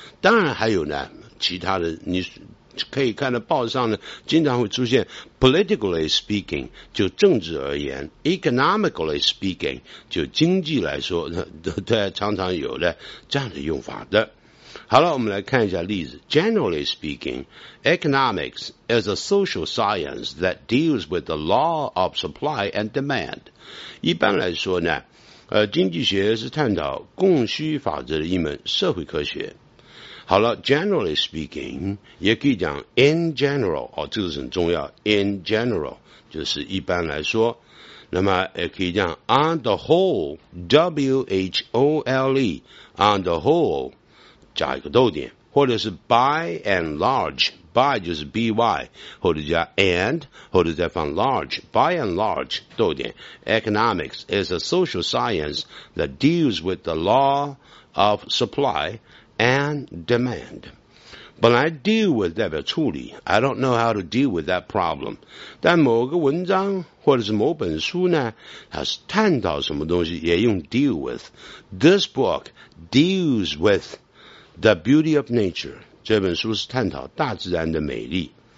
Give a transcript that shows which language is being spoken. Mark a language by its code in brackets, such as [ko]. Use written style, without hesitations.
[zh] 当然还有呢其他的，你可以看到报上呢经常会出现 [en] politically speaking， [zh] 就政治而言， [en] economically speaking， [zh] 就经济来说，它常常有的这样的用法的。好了，我们来看一下例子。 [en] Generally speaking， economics is a social science that deals with the law of supply and demand。 [zh] 一般来说呢经济学是探讨供需法则的一门社会科学。好了 ， [en] generally speaking， [zh] 也可以讲 [en] in general， [zh] 哦，这个是很重要。 [en] in general [zh] 就是一般来说，那么也可以讲 [en] on the whole， [zh] whole，on the whole 加一个逗点，或者是 [en] by and large， [zh] by 就是 by， 或者加 and， 或者再放 large，by and large 逗点。 [en] Economics is a social science that deals with the law of supply。 And demand. [zh] 本来 [en] deal with [zh] 代表处理， [en] I don't know how to deal with that problem. [zh] 但某个文章或者是某本书呢，它是探讨什么东西，也用 [en] deal with. This book deals with the beauty of nature. [zh] 这本书是探讨大自然的美丽。